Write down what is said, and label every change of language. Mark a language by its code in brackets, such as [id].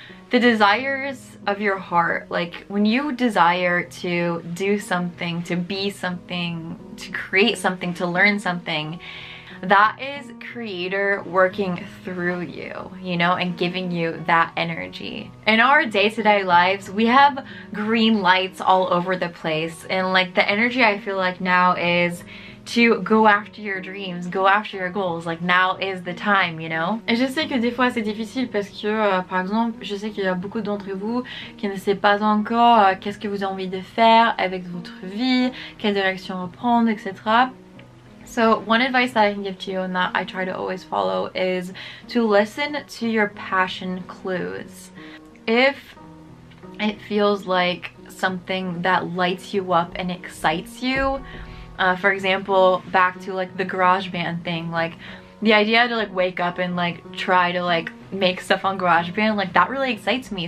[en] The desires of your heart, like when you desire to do something, to be something, to create something, to learn something, that is creator working through you, you know, and giving you that energy. In our day-to-day lives, we have green lights all over the place, and like the energy I feel like now is to go after your dreams, go after your goals. Like now is the time, you know. [fr] Et je sais que des fois c'est difficile parce que par exemple, je sais qu'il y a beaucoup d'entre vous qui ne savent pas encore qu'est-ce que vous avez envie de faire avec votre vie, quelle direction prendre, etc. [en] So one advice that I can give to you and that I try to always follow is to listen to your passion clues. If it feels like something that lights you up and excites you, for example, back to like the GarageBand thing, like the idea to like wake up and like try to like make stuff on GarageBand, like that really excites me.